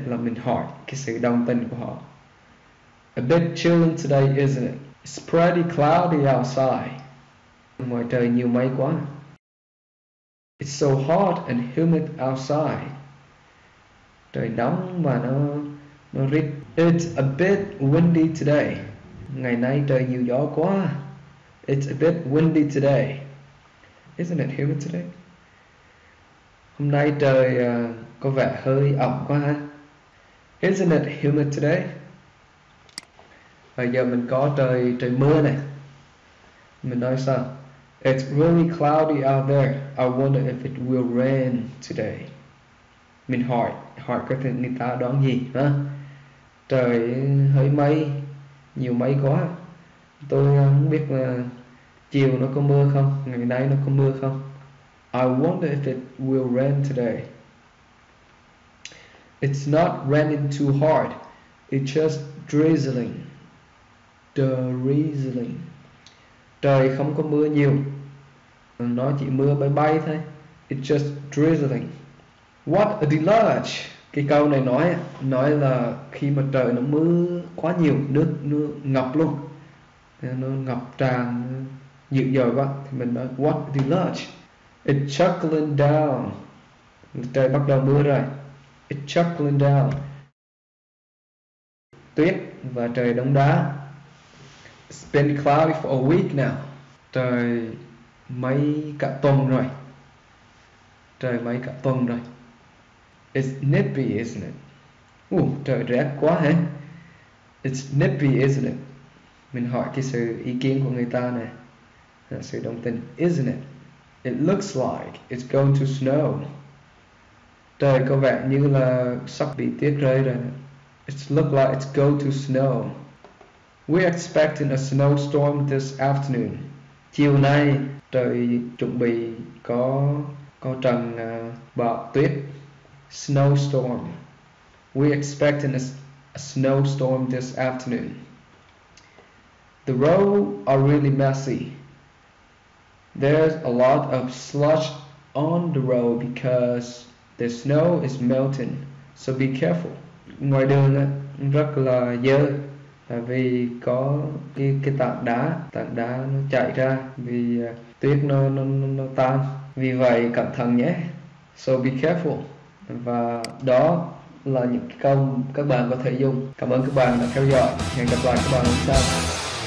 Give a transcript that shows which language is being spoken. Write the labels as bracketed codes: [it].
[vi] Là mình hỏi cái sự đồng tình của họ. [en] A bit chilling today, isn't it? It's pretty cloudy outside. [vi] Ngoài trời nhiều mây quá. [en] It's so hot and humid outside. [vi] Trời nóng mà nó rít. [en] It's a bit windy today. [vi] Ngày nay trời nhiều gió quá. [en] It's a bit windy today. Isn't it humid today? [vi] Hôm nay trời có vẻ hơi ẩm quá ha. [en] Isn't it humid today? [vi] Bây giờ mình có trời trời mưa này. Mình nói sao? [en] It's really cloudy out there. I wonder if it will rain today. [vi] Mình hỏi hỏi có thể người ta đoán gì hả? Trời hơi mây, nhiều mây quá. Tôi không biết là chiều nó có mưa không, ngày nay nó có mưa không. [en] I wonder if it will rain today. It's not raining too hard. It's just drizzling. Drizzling. [vi] Trời không có mưa nhiều. Nó chỉ mưa bay bay thôi. [en] It's just drizzling. What a deluge. [vi] Cái câu này nói là khi mà trời nó mưa quá nhiều, nước ngập luôn. Nó ngập tràn dữ dội quá thì mình nói [en] what a deluge. It's trickling down. [vi] Trời bắt đầu mưa rồi. [en] It's trickling down. [vi] Tuyết và trời đông đá. [en] It's been cloudy for a week now. [vi] Trời mấy cả tuần rồi. Trời mấy cả tuần rồi. [en] It's nippy, isn't it? [vi] Trời rét quá hả? [en] It's nippy, isn't it? [vi] Mình hỏi cái sự ý kiến của người ta này. Là sự đồng tình. [en] Isn't it? It looks like it's going to snow. [vi] Trời có vẻ như là sắp bị tuyết rơi rồi. [en] It looks like it's going to snow. We're expecting a snowstorm this afternoon. [vi] Chiều nay trời chuẩn bị có trận bão tuyết. [en] Snowstorm. We're expecting a snowstorm this afternoon. The roads are really messy. There's a lot of slush on the road because the snow is melting. So be careful. [vi] Ngoài đường rất là dơ. Tại vì có cái tảng đá nó chạy ra vì tuyết nó tan. Vì vậy cẩn thận nhé. [en] So be careful. [vi] Và đó là những câu các bạn có thể dùng. Cảm ơn các bạn đã theo dõi. Hẹn gặp lại các bạn lần sau.